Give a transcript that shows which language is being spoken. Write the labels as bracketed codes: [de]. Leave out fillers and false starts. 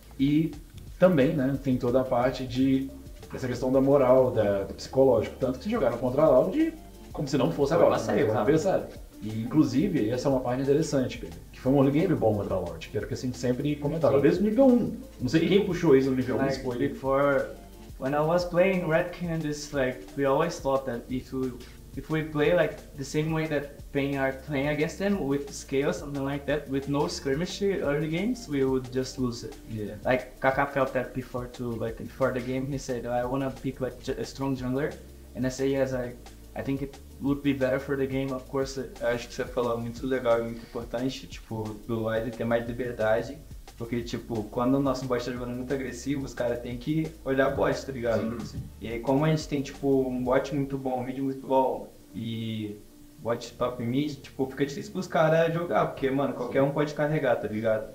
[pt] E também, né, tem toda a parte de essa questão da moral, do psicológico. Tanto que se jogaram contra a Loud como se não fosse agora, né, o adversário. E, inclusive, essa é uma parte interessante, que foi um early game bom contra a Loud, que era o que a gente sempre comentava, talvez no nível 1. Não sei quem puxou isso no nível 1, spoiler. [en] Before, when I was playing Red Candace, like, we always thought that if we play like the same way that Pain are playing against them, with scale, something like that, with no skirmish early games, we would just lose it. Yeah. Like, Kaká felt that before too, like, before the game, he said, I want to pick like a strong jungler, and I say, yes, I think it would be better for the game, of course. [pt] Eu acho que você falou muito legal e muito importante, tipo, do Wise ter mais liberdade, porque, tipo, quando o nosso bot tá jogando muito agressivo, os caras têm que olhar o bot, tá ligado? Sim, sim. E aí, como a gente tem, tipo, um bot muito bom, um mid muito bom, e bot top mid, tipo, fica difícil pros caras jogar, porque, mano, qualquer um pode carregar, tá ligado?